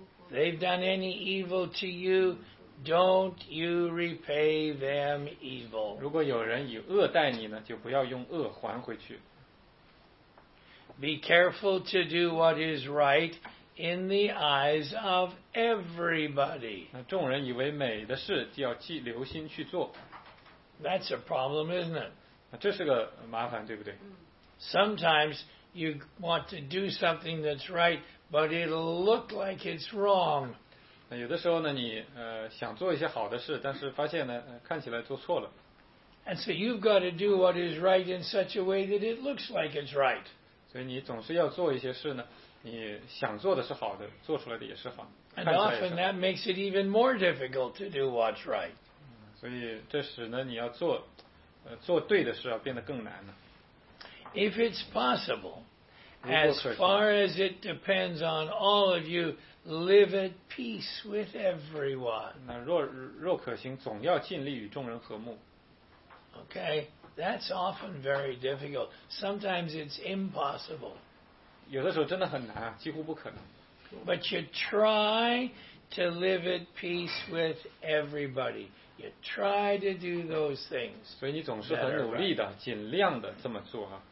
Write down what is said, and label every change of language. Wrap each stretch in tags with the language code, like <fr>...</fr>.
<en>They've done any evil to you, don't you repay them evil.</en> <zh>如果有人以恶待你呢，就不要用恶还回去。</zh> <en>Be careful to do what is right in the eyes of everybody.</en> <zh>那众人以为美的事，就要记留心去做。</zh> <en>That's a problem, isn't it?</en> <zh>那这是个麻烦，对不对？</zh> <en>Sometimes you want to do something that's right, but it'll look like it's wrong.</en> <zh>有的时候呢，你想做一些好的事，但是发现呢，看起来做错了。</zh> <en>And so you've got to do what is right in such a way that it looks like it's right.</en> <zh>所以你总是要做一些事呢，你想做的是好的，做出来的也是好。</zh> <en>And often that makes it even more difficult to do what's right.</en> <zh>所以这使呢，你要做对的事要变得更难了。</zh> <en>If it's possible, as far as it depends on all of you, live at peace with everyone.</en> <zh>那若可行，总要尽力与众人和睦。</zh> <en>Okay, that's often very difficult. Sometimes it's impossible.</en> <zh>有的时候真的很难，几乎不可能。</zh> <en>But you try to live at peace with everybody. You try to do those things.</en> <zh>所以你总是很努力的，尽量的这么做啊。</zh>